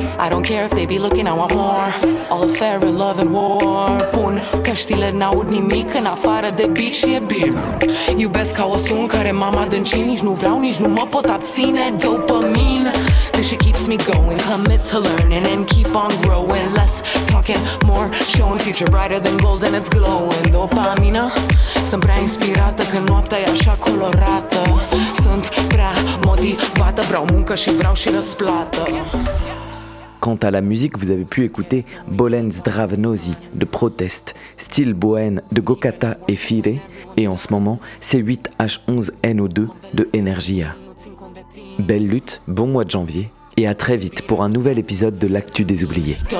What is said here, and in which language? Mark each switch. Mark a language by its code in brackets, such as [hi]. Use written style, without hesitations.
[en] I don't care if they be looking, I want more. All is fair in love and war. [ro] Pun căștile, n-aud nimic în afară de beat și e bine. Iubesc ca o sun care mama dâncii. Nici nu vreau, nici nu mă pot abține. [en] Dopamine. This shit keeps me going. Commit to learning and keep on growing. Less talking, more showing. Future brighter than gold and it's glowing. [ro] Dopamina. Sunt prea inspirată că noaptea e așa colorată. Sunt prea motivată. Vreau muncă și vreau și răsplată. [fr] Quant à la musique, vous avez pu écouter Bolen Zdravnozi de Protest, Style Bohème de Gokata et Fire, et en ce moment, C8H11NO2 de Energia. Belle lutte, bon mois de janvier, et à très vite pour un nouvel épisode de l'Actu des Oubliés.